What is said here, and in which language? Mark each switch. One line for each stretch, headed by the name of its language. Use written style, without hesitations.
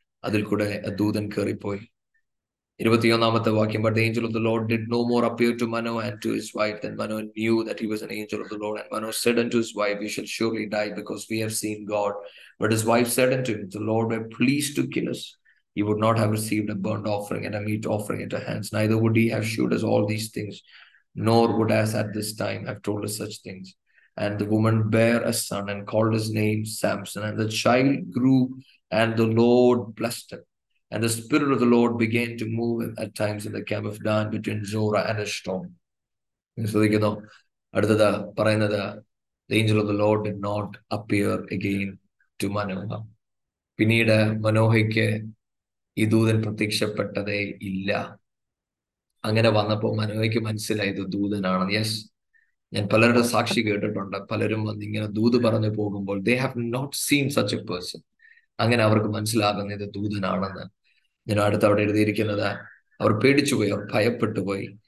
Malayalam: അതിൽ കൂടെ ദൂതൻ കയറിപ്പോയി. 21-ാമത്തെ വാക്യം,
English: But the angel of the Lord did no more appear to Manoah and to his wife then Manoah knew that he was an angel of the Lord. And Manoah said to his wife, we shall surely die because we have seen God. But his wife said to him, the Lord were pleased to kill us. He would not have received a burnt offering and a meat offering at our hands. Neither would he have showed us all these things, nor would us at this time have told us such things. And the woman bare a son and called his name Samson. And the child grew, and the Lord blessed him. And the spirit of the Lord began to move him at times in the camp of Dan between Zorah and Eshtaol. So, you know, the angel of the Lord did not appear again to Manoah.
Malayalam: Pinnida Manoahikku ഈ ദൂതൻ പ്രത്യക്ഷപ്പെട്ടതേ ഇല്ല. അങ്ങനെ വന്നപ്പോൾ മനോഹയ്ക്ക് മനസ്സിലായത് ദൂതനാണെന്ന്. Yes, ഞാൻ പലരുടെ സാക്ഷി കേട്ടിട്ടുണ്ട്, പലരും വന്ന് ഇങ്ങനെ ദൂത് പറഞ്ഞു പോകുമ്പോൾ
English: They have not seen such a person.
Malayalam: അങ്ങനെ അവർക്ക് മനസ്സിലാകുന്ന ഇത് ദൂതനാണെന്ന്. ഞാൻ അടുത്ത് അവിടെ എഴുതിയിരിക്കുന്നത് അവർ പേടിച്ചുപോയി, അവർ ഭയപ്പെട്ടു പോയി.